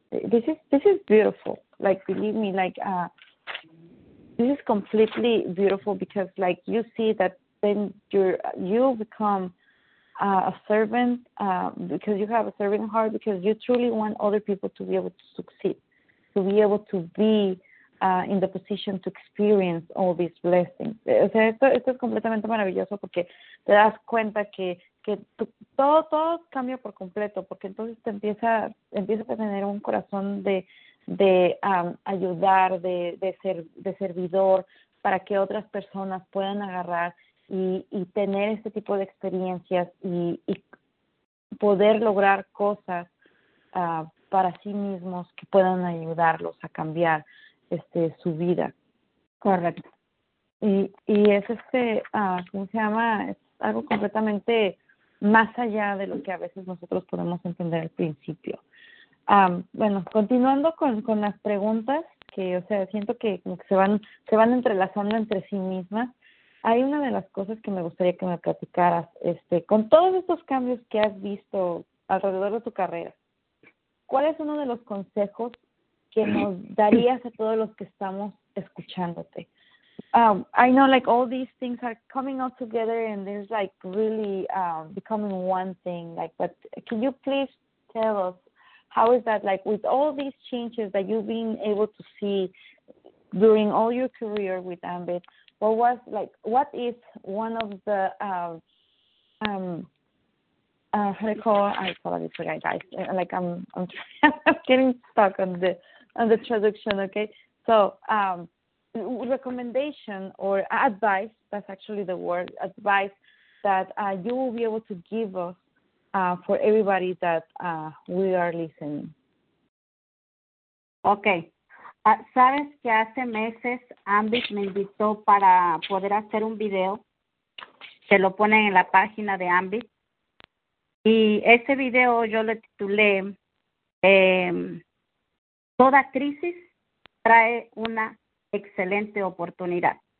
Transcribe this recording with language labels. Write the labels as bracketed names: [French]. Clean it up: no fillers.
[English] This is beautiful. Like, believe me, like, this is completely beautiful, because, like, you see that then you become a servant because you have a servant heart, because you truly want other people to be able to succeed, to be able to be in the position to experience all these blessings. [Spanish] O sea, esto es completamente maravilloso, porque te das cuenta que todo cambia por completo, porque entonces te empiezas a tener un corazón de ayudar, de servidor, para que otras personas puedan agarrar y tener este tipo de experiencias y poder lograr cosas para sí mismos que puedan ayudarlos a cambiar su vida. Correcto. Y es ¿cómo se llama? Es algo completamente más allá de lo que a veces nosotros podemos entender al principio. Bueno, continuando con las preguntas, que, o sea, siento que como que se van entrelazando entre sí mismas. Hay una de las cosas que me gustaría que me platicaras, con todos estos cambios que has visto alrededor de tu carrera, ¿cuál es uno de los consejos que nos darías a todos los que estamos escuchándote? [English] I know, like, all these things are coming all together and there's, like, really becoming one thing, like, but can you please tell us, how is that, like, with all these changes that you've been able to see during all your career with Ambit, what is one of the, I'm getting stuck on the traduction, okay? So, recommendation or advice, that's actually the word, advice that you will be able to give us for everybody that we are listening. Okay. [Spanish] Sabes que hace meses Ambit me invitó para poder hacer un video, que lo ponen en la página de Ambit, y ese video yo le titulé Toda crisis trae una excelente oportunidad.